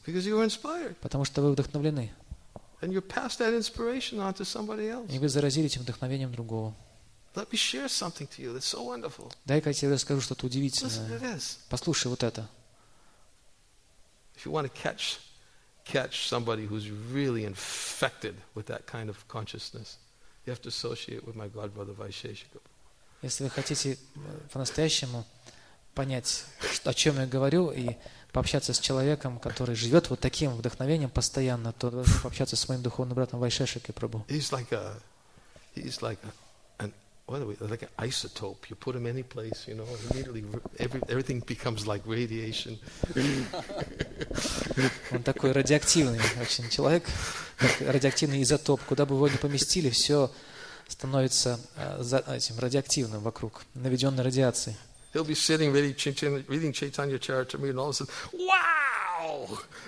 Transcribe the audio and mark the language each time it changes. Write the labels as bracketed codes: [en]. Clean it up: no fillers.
[en] Because you're inspired. [ru] Потому что вы вдохновлены. [en] And you pass that inspiration on to somebody else. [ru] И вы заразили этим вдохновением другого. [en] Let me share something to you. That's so wonderful. [ru] Дай-ка я тебе расскажу что-то удивительное. Послушай вот это. [en] If you want to catch somebody who's really infected with that kind of consciousness, you have to associate with my godbrother Vaisheshikapu. [ru] Если вы хотите по-настоящему понять, о чем я говорю, и пообщаться с человеком, который живет вот таким вдохновением постоянно, то пообщаться с моим духовным братом Вайшешикапрабху. [en] He's like an isotope. You put him any place, you know, immediately everything becomes like radiation. [ru] Он такой радиоактивный очень человек, радиоактивный изотоп. Куда бы его ни поместили, все становится этим радиоактивным вокруг, наведенной радиацией. [en] He'll be sitting reading Chaitanya Charitamrita, and all of a sudden, wow!